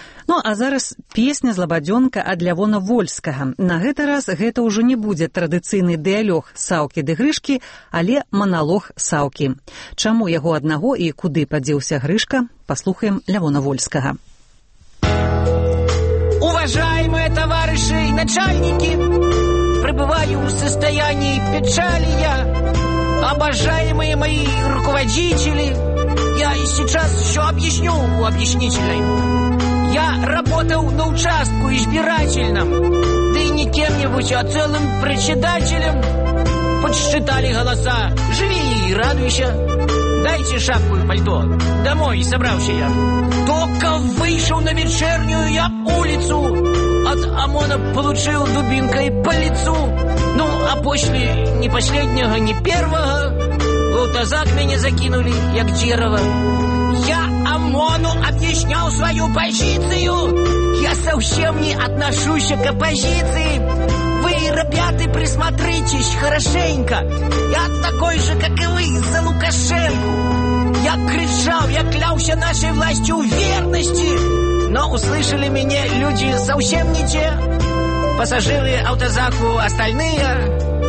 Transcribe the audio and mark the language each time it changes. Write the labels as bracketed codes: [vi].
[be] Ну, а зараз песня «Злабадзёнка» ад Лявона Вольскага. На гэты раз гэта ўжо не будзе традыцыйны дыялёг Саўкі ды Грышкі, але маналог Саўкі. Чаму яго аднаго і куды падзеўся Грышка? Паслухаем Лявона Вольскага. [ru] Уважаемые товарищи и начальники, пребываю в состоянии печали я. Обожаемые мои руководители, я и сейчас все объясню у объяснителей. Я работал на участку избирательном, да и не кем-нибудь, а целым председателем. Подсчитали голоса, живи и радуйся. Дайте шапку і пальто. Домой собрався я. [uk] Тільки вийшов на вечірню я вулицю. [ru] От ОМОНа получив дубинкой по лицу. [uk] Ну, а после ні последнього, ні первого лутозак мене закинули, як дерево. Я ОМОНу об'ясняв свою позицію. [ru] Я совсем не отношуся к оппозиции. Вы, ребята, присмотритесь хорошенько. Я такой же, как и вы, за Лукашенко. Я кричал, я клялся нашей властью верности. Но услышали меня люди совсем не те. Пассажиры автозаку остальные.